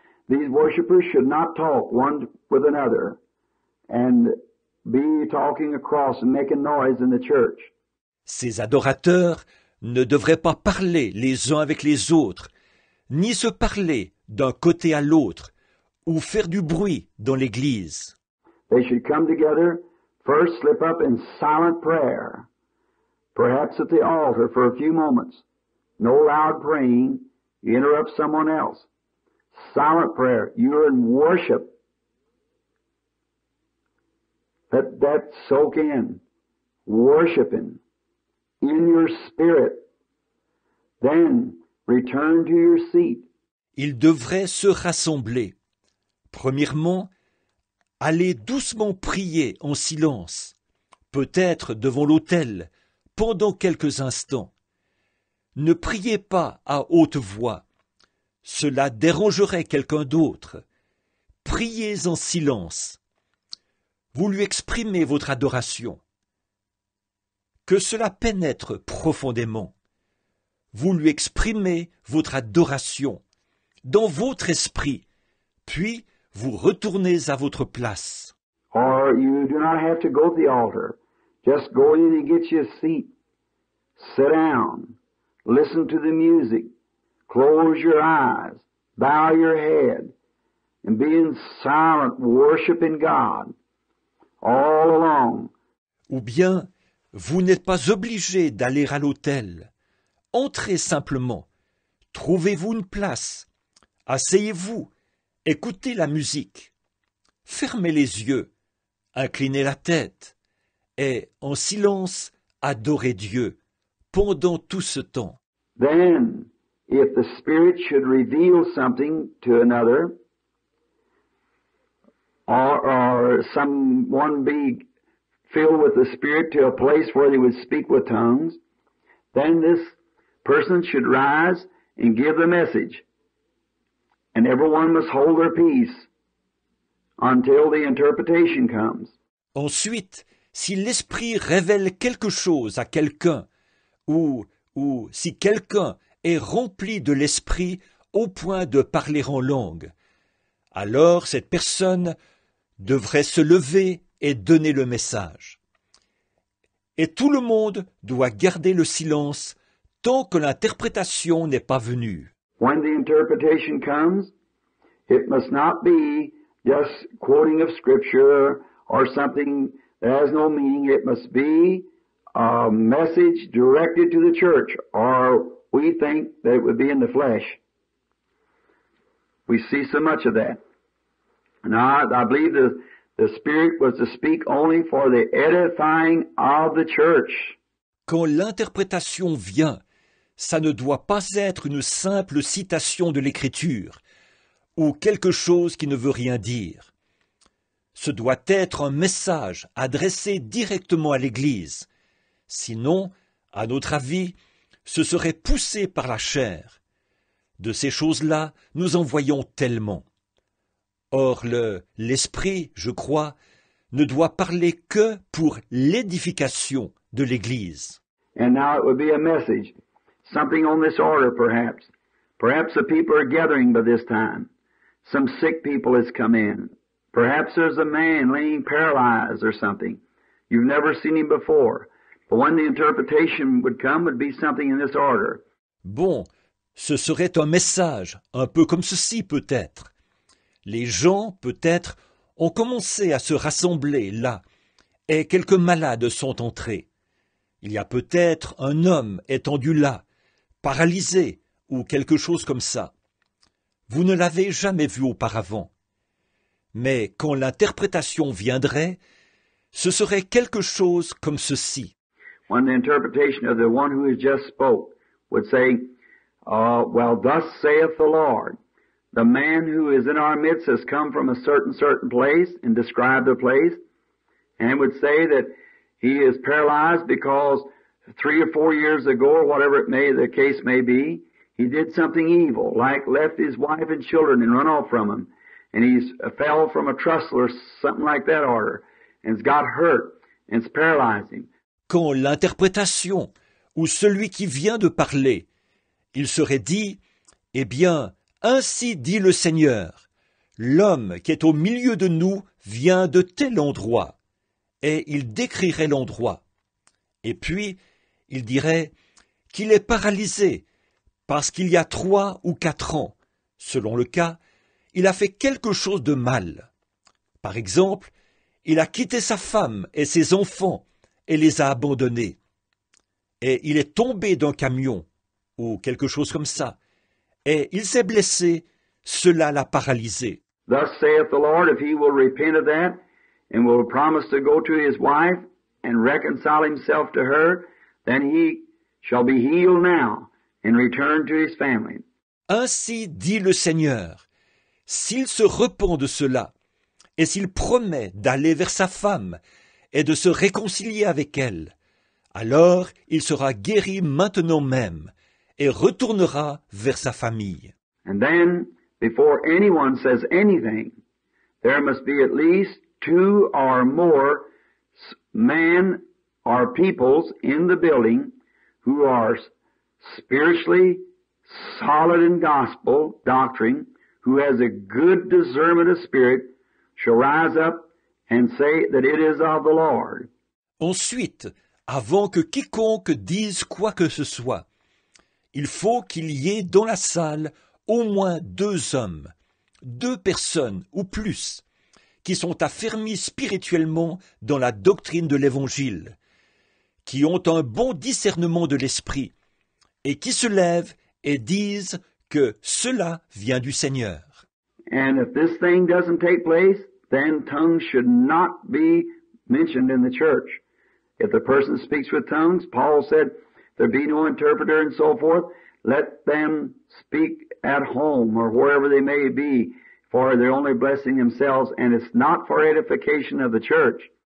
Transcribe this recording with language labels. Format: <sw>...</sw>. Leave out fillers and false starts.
<en>These worshipers should not talk one with another and be talking across and making noise in the church.</en> <fr>Ces adorateurs ne devraient pas parler les uns avec les autres, ni se parler d'un côté à l'autre, ou faire du bruit dans l'Église.</fr> <en>They should come together, first slip up in silent prayer, perhaps at the altar for a few moments. No loud praying, you interrupt someone else. Silent prayer, you're in worship. Let that soak in, worshiping in your spirit. Then return to your seat.</en> <fr>Ils devraient se rassembler. Premièrement, aller doucement prier en silence, peut-être devant l'autel, pendant quelques instants. Ne priez pas à haute voix. Cela dérangerait quelqu'un d'autre. Priez en silence. Vous lui exprimez votre adoration. Que cela pénètre profondément. Vous lui exprimez votre adoration dans votre esprit, puis vous retournez à votre place.</fr> <en>Or you do not have to go to the altar. Just go in and get you a seat. sit down, listen to the music, close your eyes, bow your head, and be in silent worshiping God all along.</en> <fr>Ou bien, vous n'êtes pas obligé d'aller à l'autel. Entrez simplement, trouvez-vous une place, asseyez-vous, écoutez la musique, fermez les yeux, inclinez la tête, et en silence, adorez Dieu pendant tout ce temps.</fr> <en>Then, if the Spirit should reveal something to another, or someone be filled with the Spirit to a place where they would speak with tongues, then this person should rise and give the message, and everyone must hold their peace until the interpretation comes.</en> <fr>Ensuite, si l'Esprit révèle quelque chose à quelqu'un, ou si quelqu'un est rempli de l'Esprit au point de parler en langue, alors cette personne devrait se lever et donner le message. Et tout le monde doit garder le silence tant que l'interprétation n'est pas venue.</fr> <en>When the interpretation comes, it must not be just quoting of scripture or something that has no meaning. It must be a message directed to the church, or we think that it would be in the flesh. We see so much of that. Now, I believe the Spirit was to speak only for the edifying of the church.</en> <fr>Quand l'interprétation vient, ça ne doit pas être une simple citation de l'Écriture ou quelque chose qui ne veut rien dire. Ce doit être un message adressé directement à l'Église. Sinon, à notre avis, ce serait poussé par la chair. De ces choses-là, nous en voyons tellement. Or, l'Esprit, je crois, ne doit parler que pour l'édification de l'Église.</fr> <en>And now it would be a message, something on this order, perhaps. Perhaps the people are gathering by this time. Some sick people has come in. Perhaps there's a man laying paralyzed or something. You've never seen him before. But when the interpretation would come, it would be something in this order.</en> <fr>Bon, ce serait un message, un peu comme ceci peut-être. Les gens, peut-être, ont commencé à se rassembler là, et quelques malades sont entrés. Il y a peut-être un homme étendu là, paralysé, ou quelque chose comme ça. Vous ne l'avez jamais vu auparavant. Mais quand l'interprétation viendrait, ce serait quelque chose comme ceci.</fr> <en>When the interpretation of the one who has just spoke would say, well, thus saith the Lord, the man who is in our midst has come from a certain place and described the place, and would say that he is paralyzed because 3 or 4 years ago, or whatever the case may be, he did something evil, like left his wife and children and run off from him, and he's fell from a trestle or something like that order, and has got hurt, and it's paralyzed him.</en> <fr>Quand l'interprétation, ou celui qui vient de parler, il serait dit, « Eh bien, ainsi dit le Seigneur, l'homme qui est au milieu de nous vient de tel endroit. » Et il décrirait l'endroit. Et puis, il dirait qu'il est paralysé parce qu'il y a 3 ou 4 ans, selon le cas, il a fait quelque chose de mal. Par exemple, il a quitté sa femme et ses enfants et les a abandonnés. Et il est tombé d'un camion, ou quelque chose comme ça. Et il s'est blessé, cela l'a paralysé.</fr> <en>Thus saith the Lord, if he will repent of that, and will promise to go to his wife, and reconcile himself to her, then he shall be healed now, and return to his family.</en> <fr>Ainsi dit le Seigneur, s'il se repent de cela, et s'il promet d'aller vers sa femme, et de se réconcilier avec elle, alors il sera guéri maintenant même et retournera vers sa famille.</fr> <en>And then, before anyone says anything, there must be at least 2 or more men or peoples in the building who are spiritually solid in gospel doctrine, who has a good discernment of spirit, shall rise up and say that it is of the Lord.</en> <fr>Ensuite, avant que quiconque dise quoi que ce soit. Il faut qu'il y ait dans la salle au moins deux hommes, deux personnes ou plus, qui sont affermis spirituellement dans la doctrine de l'Évangile, qui ont un bon discernement de l'Esprit, et qui se lèvent et disent que cela vient du Seigneur.</fr> <en>And if this thing doesn't take place, then tongues should not be mentioned in the church. If the person speaks with tongues, Paul said, there be no interpreter and so forth, let them speak at home or wherever they may be, for they're only blessing themselves, and it's not for edification of the church.</en>